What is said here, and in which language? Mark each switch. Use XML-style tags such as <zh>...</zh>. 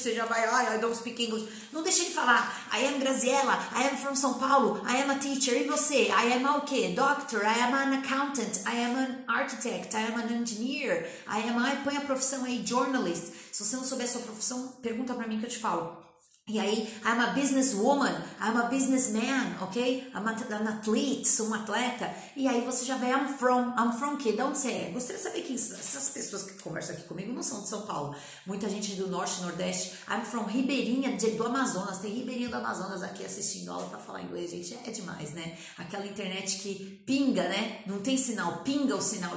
<pt>Você já vai, ai,</pt> <en>I don't speak English.</en> <pt>Não deixa ele falar,</pt> <en>I am Graziella, I am from São Paulo, I am a teacher.</en> <pt>E você?</pt> <en>I am a</en> <pt>o quê?</pt> <en>Doctor, I am an accountant, I am an architect, I am an engineer, I am a...</en> <pt>Põe a profissão aí, journalist. Se você não souber a sua profissão, pergunta pra mim que eu te falo. E aí,</pt> <en>I'm a businesswoman, I'm a businessman, ok? I'm an athlete,</en> <pt>sou um atleta. E aí você já vai,</pt> <en>I'm from</en> <pt>quê? De onde você é? Gostaria de saber que essas pessoas que conversam aqui comigo não são de São Paulo. Muita gente do Norte, Nordeste.</pt> <en>I'm from Ribeirinha,</en> <pt>do Amazonas. Tem Ribeirinha do Amazonas aqui assistindo aula pra falar inglês, gente. É demais, né? Aquela internet que pinga, né? Não tem sinal, pinga o sinal.</pt>